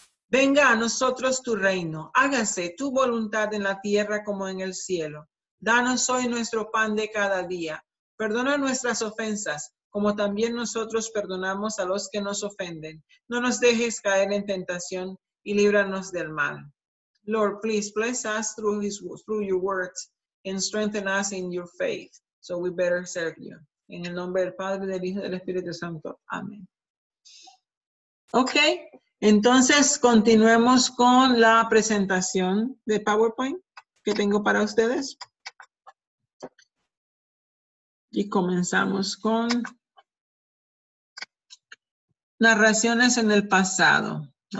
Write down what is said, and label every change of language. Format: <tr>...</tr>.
<es>Venga a nosotros tu reino. Hágase tu voluntad en la tierra como en el cielo. Danos hoy nuestro pan de cada día. Perdona nuestras ofensas, como también nosotros perdonamos a los que nos ofenden. No nos dejes caer en tentación y líbranos del mal.</es> <en>Lord, please bless us through your words and strengthen us in your faith, so we better serve you.</en> <es>En el nombre del Padre, del Hijo y del Espíritu Santo. Amén. Ok, entonces continuemos con la presentación de PowerPoint que tengo para ustedes. Y comenzamos con narraciones en el pasado.</es>